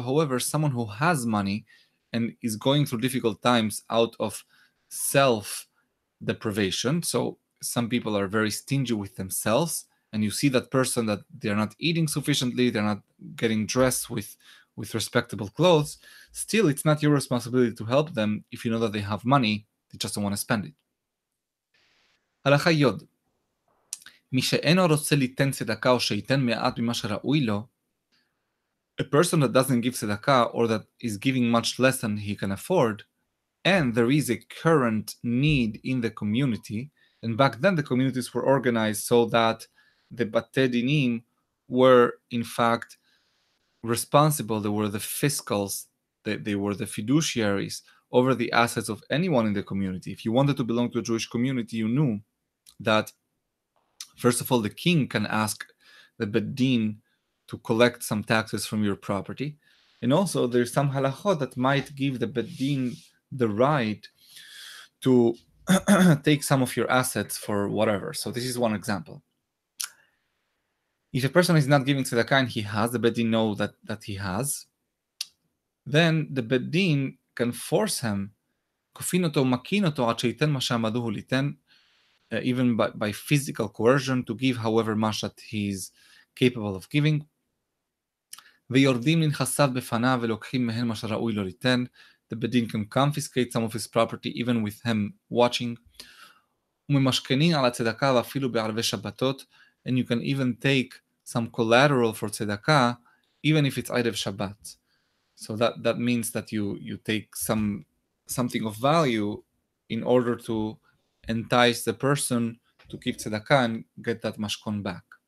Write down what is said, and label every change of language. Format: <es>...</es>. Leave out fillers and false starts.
<en>However, someone who has money and is going through difficult times out of self-deprivation, so some people are very stingy with themselves, and you see that person that they're not eating sufficiently, they're not getting dressed with respectable clothes, still it's not your responsibility to help them if you know that they have money, they just don't want to spend it.</en> <he>הלכה יוד. מי שאינו רוצה ליתן צדקה או שייתן מעט ממה שראוי לו,</he> <en>a person that doesn't give tzedakah or that is giving much less than he can afford, and there is a current need in the community, and back then the communities were organized so that the Batei Dinim were, in fact, responsible. They were the fiscals. They were the fiduciaries over the assets of anyone in the community. If you wanted to belong to a Jewish community, you knew that, first of all, the king can ask the Bet Din to collect some taxes from your property. And also, there's some halachot that might give the Bet Din the right to take some of your assets for whatever. So this is one example. If a person is not giving tzedakah and he has, the Bet Din know that he has, then the Bet Din can force him,</en> <he>כופין אותו ומכין אותו עד שייתן מה שעמדו הוא ליתן,</he> <en>even by physical coercion to give however much that he is capable of giving,</en> <he>ויורדים לנכסיו בפניו ולוקחים מהן מה שראוי לו ליתן,</he> <en>the bedin can confiscate some of his property even with him watching,</en> <he>וממשכנים על הצדקה ואפילו בערבי שבתות,</he> <en>and you can even take some collateral for tzedakah, even if it's Erev Shabbat. So that means that you take something of value in order to entice the person to keep tzedakah and get that mashkon back.</en>